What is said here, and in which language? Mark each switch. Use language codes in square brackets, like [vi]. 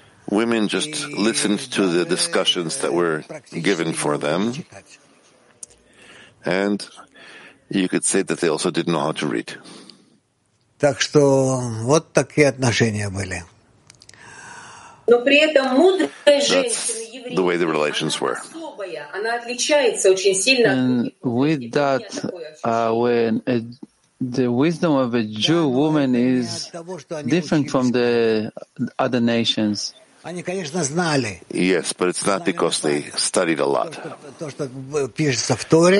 [en] Women just listened to the discussions that were given for them. And you could say that they also didn't know how to read. [ru] Так что вот такие отношения были. Но при этом мудрая женщина еврейка, она особая, она отличается очень сильно. [en] And with that, when the wisdom of a Jew woman is different from the other nations. [ru] Они, конечно, знали. [en] Yes, but it's not because they studied a lot. [ru] То, что пишется в Торе.